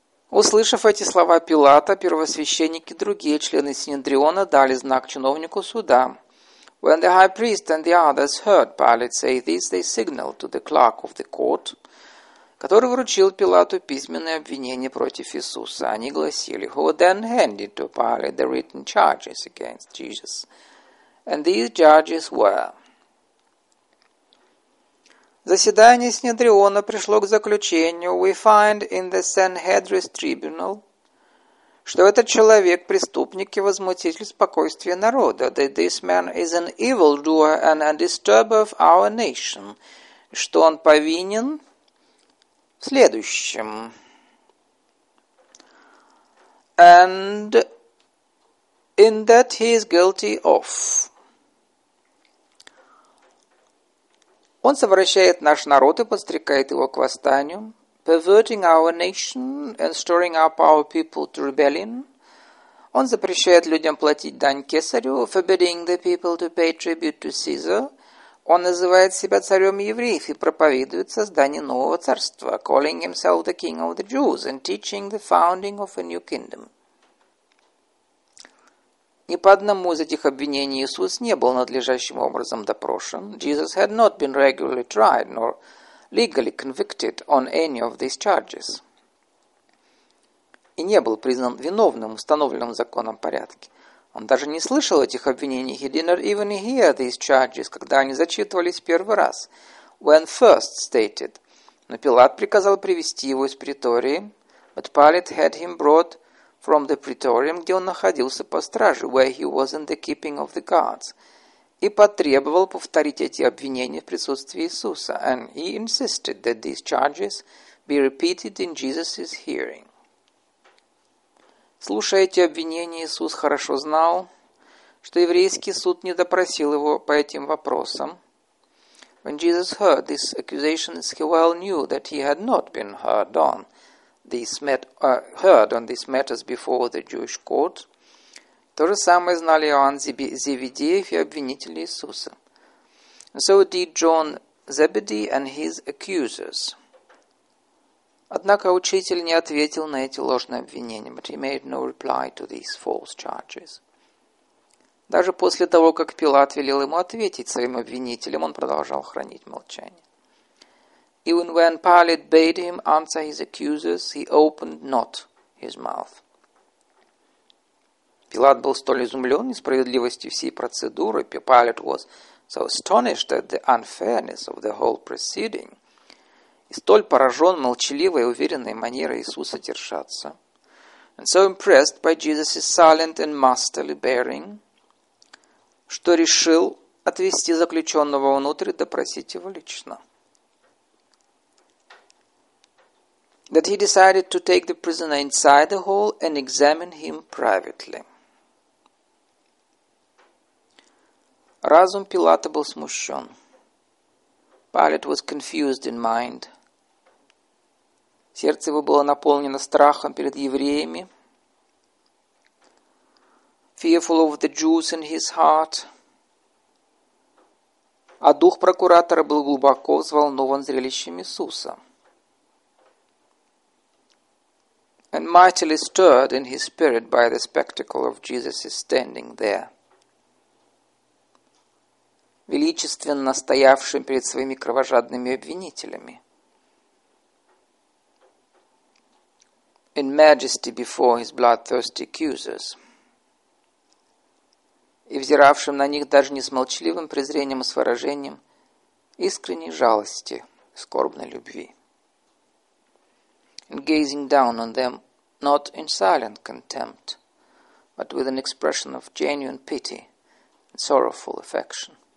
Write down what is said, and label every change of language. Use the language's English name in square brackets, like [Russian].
[Russian] Услышав эти слова Пилата, первосвященники и другие члены Синедриона дали знак чиновнику суда. [English] When the high priest and the others heard Pilate say this, they signaled to the clerk of the court, [Russian] который вручил Пилату письменные обвинения против Иисуса. Они гласили, [English] who then handed to Pilate the written charges against Jesus. And these charges were. [Russian] Заседание Синедриона пришло к заключению. [English] We find in the Sanhedrin's tribunal, [Russian] что этот человек преступник и возмутитель спокойствия народа. [English] That this man is an evildoer and a disturber of our nation. [Russian] Что он повинен в следующем. [English] And in that he is guilty of. [Russian] Он совращает наш народ и подстрекает его к восстанию. [English] Perverting our nation and stirring up our people to rebellion. [Russian] Он запрещает людям платить дань кесарю, [English] forbidding the people to pay tribute to Caesar. [Russian] Он называет себя царем евреев и проповедует создание нового царства, [English] calling himself the king of the Jews and teaching the founding of a new kingdom. [Russian] Ни по одному из этих обвинений Иисус не был надлежащим образом допрошен. [English] Jesus had not been regularly tried, nor legally convicted on any of these charges. [Russian] И не был признан виновным, установленным законом порядке. Он даже не слышал этих обвинений. [English] He did not even hear these charges, [Russian] когда они зачитывались первый раз. [English] When first stated. [Russian] Но Пилат приказал привести его из притории. [English] But Pilate had him brought from the praetorium, [Russian] где он находился по страже, [English] where he was in the keeping of the guards, [Russian] и потребовал повторить эти обвинения в присутствии Иисуса, [English] and he insisted that these charges be repeated in Jesus' hearing. [Russian] Слушая эти обвинения, Иисус хорошо знал, что еврейский суд не допросил его по этим вопросам. [English] When Jesus heard these accusations, he well knew that he had not been heard on. Heard on these matters before the Jewish court. [Russian] То же самое знали Иоанн Зеведеев и обвинители Иисуса. [English] So did John Zebedee and his accusers. [Russian] Однако учитель не ответил на эти ложные обвинения, [English] but he made no reply to these false charges. [Russian] Даже после того, как Пилат велел ему ответить своим обвинителям, он продолжал хранить молчание. [English] Even when Pilate bade him answer his accusers, he opened not his mouth. [Russian] Пилат был столь изумлен несправедливостью всей процедуры, [English] Pilate was so astonished at the unfairness of the whole proceeding, [Russian] и столь поражен молчаливой и уверенной манерой Иисуса держаться, [English] and so impressed by Jesus' silent and masterly bearing, [Russian] что решил отвести заключенного внутрь и допросить его лично. [English] That he decided to take the prisoner inside the hall and examine him privately. [Russian] Разум Пилата был смущен. [English] Pilate was confused in mind. [Russian] Сердце его было наполнено страхом перед евреями. [English] Fearful of the Jews in his heart. [Russian] А дух прокуратора был глубоко взволнован зрелищем Иисуса. [English] And mightily stirred in his spirit by the spectacle of Jesus standing there. [Russian] Величественно стоявшим перед своими кровожадными обвинителями. [English] In majesty before his bloodthirsty accusers. [Russian] И взиравшим на них даже не с молчаливым презрением, а с выражением искренней жалости, скорбной любви. [English] And gazing down on them, not in silent contempt, but with an expression of genuine pity and sorrowful affection.